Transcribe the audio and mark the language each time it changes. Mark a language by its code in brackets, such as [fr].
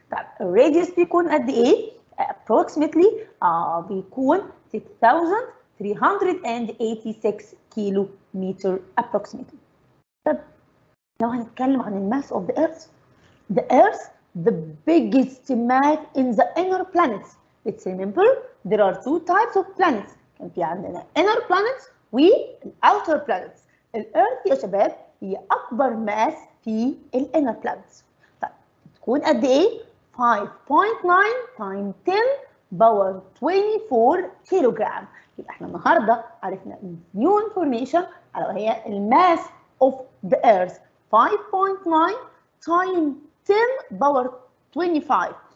[ar] طب الراديوس بيكون قد ايه؟ approximately بيكون 6386 كيلو متر approximately. طب لو هنتكلم عن [en] الماس of the earth, the earth the biggest mass in the inner planets. Let's remember there are two types of planets. [ar] كان في عندنا inner planets و outer planets. الـ Earth يا شباب هي أكبر ماس في الـ inner planets. طيب تكون قد إيه؟ 5.9 times 10 power 24 كيلوغرام. يبقى إحنا النهارده عرفنا [en] new information [ar] على وهي الماس [en] of the Earth 5.9 times 10 power 25.